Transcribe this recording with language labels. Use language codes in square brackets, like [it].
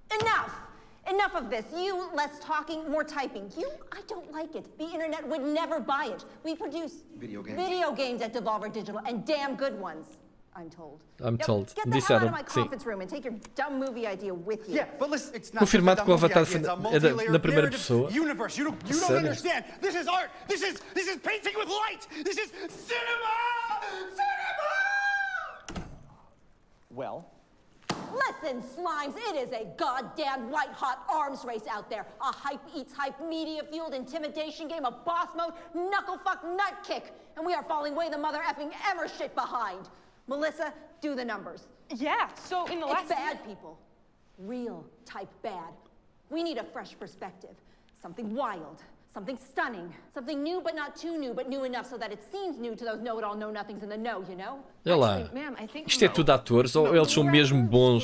[en] Enough! Enough of this. You less talking, more typing. You, I don't like it. The internet would never buy it. We produce video games at Devolver Digital, and damn good ones. I'm told. Get the hell out of my conference room and take your dumb movie idea with you. Yeah, but listen, it's not. [pt] Confirmado que o Avatar é na primeira pessoa. [en] Universe, you don't understand. This is art. This is painting with light. This is cinema. Cinema. Well, listen, Slimes. It is a goddamn white hot arms race out there. A hype eats hype, media fueled intimidation game, a boss mode, knuckle fuck nut kick, and we are falling way the mother effing ever shit behind. Melissa, do the numbers. Yeah, so in the it's last... It's bad people. Real type bad. We need a fresh perspective. Something wild. Something stunning. Something new, but not too new, but new enough so that it seems new to those know-it-all, know-nothings in the know, you know? [pt] Olha lá. [en] Ma'am, I think [pt] isto é tudo atores, ou eles são mesmo bons?